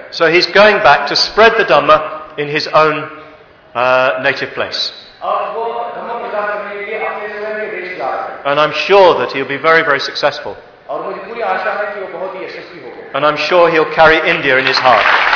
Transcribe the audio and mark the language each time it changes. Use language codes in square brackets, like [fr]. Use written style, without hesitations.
[en] So he's going back to spread the Dhamma in his own native place. [hi] अब वो धम्म प्रचार करने के लिए अपने स्वयं के देश जा रहे हैं. [en] And I'm sure that he'll be very, very successful. [hi] और मुझे पूरी आशा है कि वो बहुत ही यशस्वी होगा. [en] And I'm sure he'll carry India in his heart.